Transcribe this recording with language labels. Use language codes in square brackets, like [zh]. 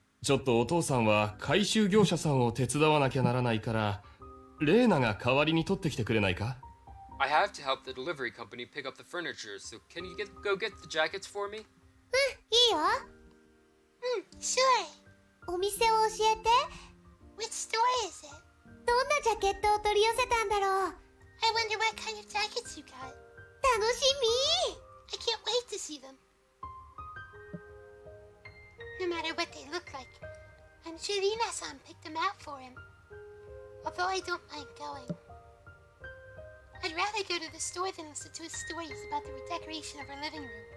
[ja] ちょっとお父さんは回収業者さんを手伝わなきゃならないから、レーナが代わりに取ってきてくれないか? [en] I have to help the delivery company pick up the furniture, so can you go get the jackets for me? [ja] うん、いいよ! [en] うん、sure! [ja] お店を教えて! [en] Which store is it? [ja] どんなジャケットを取り寄せたんだろう? [en] I wonder what kind of jackets you got. [ja] 楽しみ! [en] I can't wait to see them. No matter what they look like, I'm sure Rina-san picked them out for him. Although I don't mind going. I'd rather go to the store than listen to his stories about the redecoration of our living room.